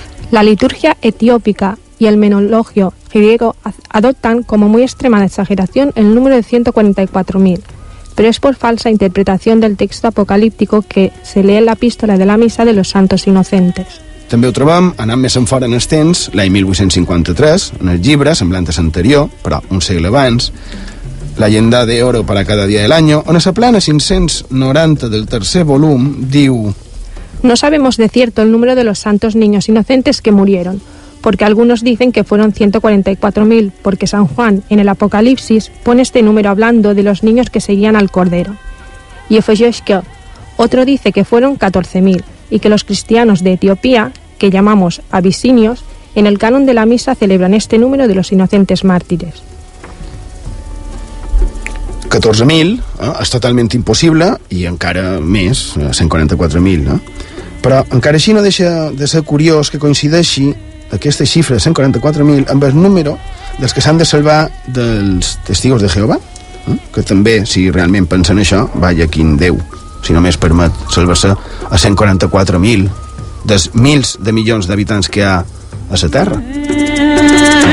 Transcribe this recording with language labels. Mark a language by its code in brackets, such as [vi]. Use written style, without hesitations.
[ca] La litúrgia etiòpica i el menologio griego adopten com a molt extrema exageració el número de 144.000, però és per falsa interpretació del text apocalíptic [es] que se lee en la pístola de la missa de los santos innocentes. [ca] També ho trobem, anant més enfora en els temps, l'any 1853, en el llibre, semblant a l'anterior, però un segle abans, La llenda de oro para cada día del año, on a la plana 590 del tercer volum diu: [es] No sabemos de cierto el número de los santos niños inocentes que murieron, porque algunos dicen que fueron 144.000, porque San Juan, en el Apocalipsis, pone este número hablando de los niños que seguían al Cordero. Y Efejoshka, otro dice que fueron 14.000, y que los cristianos de Etiopía, que llamamos abisinios, en el canon de la misa celebran este número de los inocentes mártires. [ca] 14.000, és totalment impossible, i encara més, 144.000, no? Però encara així no deixa de ser curiós que coincideixi aquesta xifra de 144.000 amb el número dels que s'han de salvar dels testigos de Jehovà, que també, si realment pensen això, vaja quin Déu, si només permet salvar-se a 144.000 dels mils de milions d'habitants que hi ha a la Terra.